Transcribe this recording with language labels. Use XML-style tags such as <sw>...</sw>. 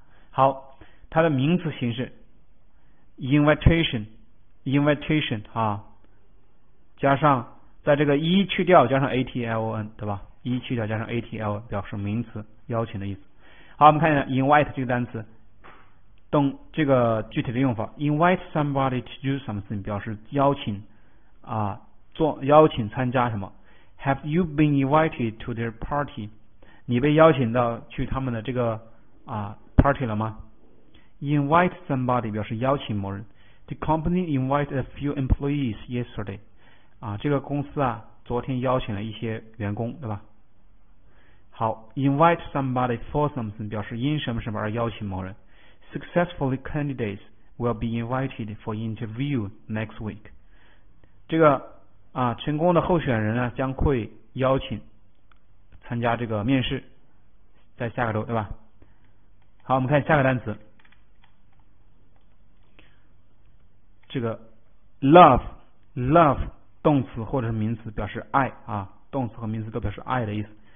<zh>好，它的名词形式 invitation 啊，加上在这个一去掉加上 aton 对吧？一去掉加上 atl 表示名词邀请的意思。好，我们看一下 invite 这个单词，动这个具体的用法 ，</zh> <en>invite somebody to do something</en> <zh>表示邀请啊，做邀请参加什么</zh> <en>Have you been invited to their party?</en> <zh>你被邀请到去他们的这个party 了吗？</zh> <en>Invite somebody</en> <zh>表示邀请某人。</zh> <en>The company invited a few employees yesterday.</en> <zh>啊，这个公司啊，昨天邀请了一些员工，对吧？好，</zh> <en>invite somebody for something</en> <zh>表示因什么什么而邀请某人。</zh> <en>Successful candidates will be invited for interview next week.</en> <zh>这个啊，成功的候选人呢，将会邀请参加这个面试，在下个周，对吧？好，我们看下个单词，这个 love 动词或者是名词表示爱啊，动词和名词都表示爱的意思。</zh>